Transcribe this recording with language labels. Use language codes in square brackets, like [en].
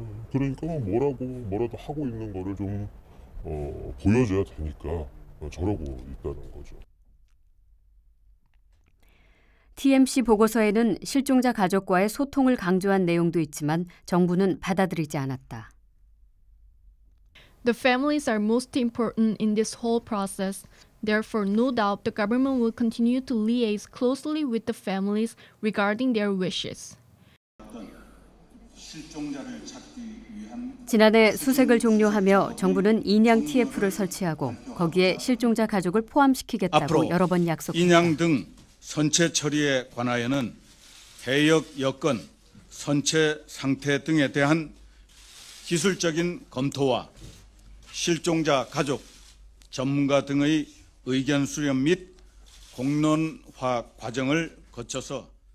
[ko] 그러니까 뭐라고 뭐라도 하고 있는 거를 좀 보여줘야 되니까 저러고 있다는 거죠. TMC 보고서에는 실종자 가족과의 소통을 강조한 내용도 있지만 정부는 받아들이지 않았다. [en] The families are most important in this whole process. Therefore, no doubt the government will continue to liaise closely with the families regarding their wishes. [ko] 지난해 수색을 종료하며 정부는 인양 TF를 설치하고 거기에 실종자 가족을 포함시키겠다고 여러 번 약속했다. 인양 등 선체 처리에 관하여는 대역 여건, 선체 상태 등에 대한 기술적인 검토와 실종자 가족, 전문가 등의 의견 수렴 및 공론화 과정을 거쳐서